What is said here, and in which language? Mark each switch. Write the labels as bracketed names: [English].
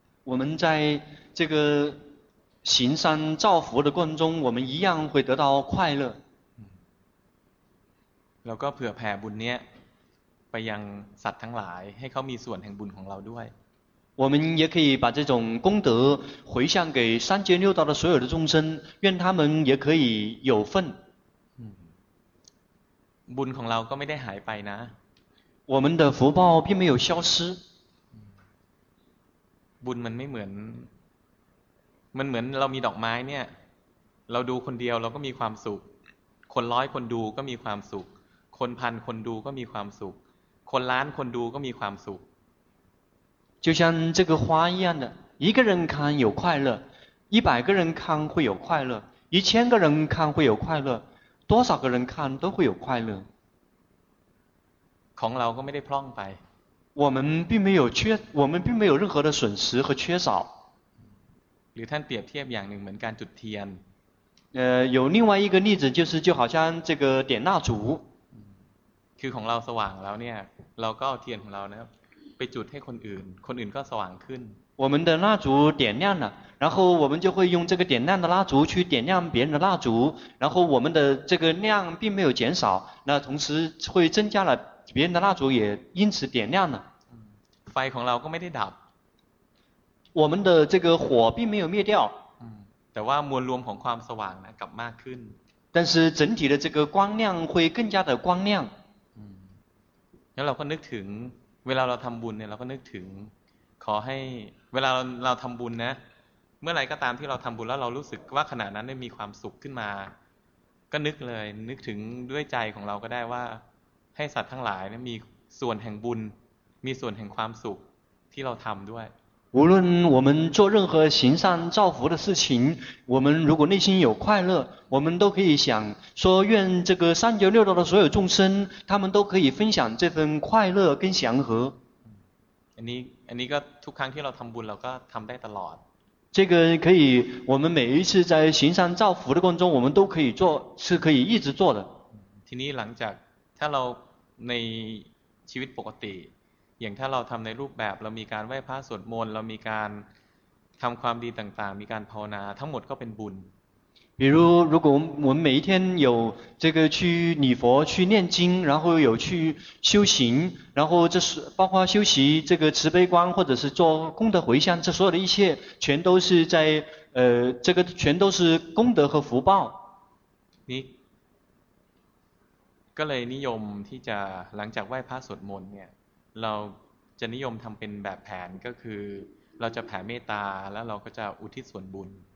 [Chinese] 我们在这个行善造福的过程中我们一样会得到快乐 [Thai] แล้วก็เผื่อแผ่บุญเนี้ยไปยังสัตว์ทั้งหลายให้เขามีส่วนแห่งบุญของเราด้วย [Chinese] 我们也可以把这种功德回向给三界六道的所有的众生愿他们也可以有份 [Thai] บุญของเราก็ไม่ได้หายไปนะ [Chinese] 我们的福报并没有消失 [Thai] บุญมันไม่เหมือนมันเหมือนเรามีดอกไม้เนี่ยเราดูคนเดียวเราก็มีความสุขคนร้อยคนดูก็มีความสุขคนพันคนดูก็มีความสุขคนล้านคนดูก็มีความสุข [Chinese] 就像这个花一样的一个人看有快乐一百个人看会有快乐一千个人看会有快乐多少个人看都会有快乐 [Thai] ของเราก็ไม่ได้พร่องไป [Chinese] 我们并没有任何的损失和缺少 [Thai] หรือท่านเปรียบเทียบอย่างหนึ่งเหมือนการจุดเทียน [Chinese] 有另外一个例子就是就好像这个点蜡烛 [Thai] คือของเราสว่างแล้วเนี่ยเราก็เอาเทียนของเรานะครับไปจุดให้คนอื่นคนอื่นก็สว่างขึ้น [Chinese] 我们的蜡烛点亮了然后我们就会用这个点亮的蜡烛去点亮别人的蜡烛然后我们的这个量并没有减少那同时会增加了别人的蜡烛也因此点亮了 [Thai] ไฟของเราก็ไม่ได้ดับ [Chinese] 我们的这个火并没有灭掉 [Thai] แต่ว่ามวลรวมของความสว่างนะกลับมากขึ้น [Chinese] 但是整体的这个光亮会更加的光亮 [Thai] แล้วเราก็นึกถึงเวลาเราทำบุญเนี่ยเราก็นึกถึงขอให้เวลาเราทำบุญนะเมื่อไหร่ก็ตามที่เราทำบุญแล้วเรารู้สึกว่าขณะนั้นได้มีความสุขขึ้นมาก็นึกเลยนึกถึงด้วยใจของเราก็ได้ว่าให้สัตว์ทั้งหลายเนี่ยมีส่วนแห่งบุญมีส่วนแห่งความสุขที่เราทำด้วย [Chinese] 无论我们做任何行善造福的事情我们如果内心有快乐我们都可以想说愿这个三界六道的所有众生他们都可以分享这份快乐跟祥和 [Thai] อันนี้ก็ทุกครั้งที่เราทำบุญเราก็ทำได้ตลอด [Chinese] 这个可以我们每一次在行善造福的过程中我们都可以做是可以一直做的 [Thai] ทีนี้หลังจากถ้าเราในชีวิตปกติอย่างถ้าเราทำในรูปแบบเรามีการไหว้พระสวดมนต์เรามีการทำความดีต่างๆมีการภาวนาทั้งหมดก็เป็นบุญ [Chinese] 比如如果我们每一天有这个去礼佛去念经然后有去修行然后这是包括修习这个慈悲观或者是做功德回向这所有的一切全都是在这个全都是功德和福报 [Thai] นี่ก็เลยนิยมที่จะหลังจากไหว้พระสวดมนต์เนี่ยเราจะนิยมทำเป็นแบบแผนก็คือเราจะแผ่เมตตาแล้วเราก็จะอุทิศส่วนบุญ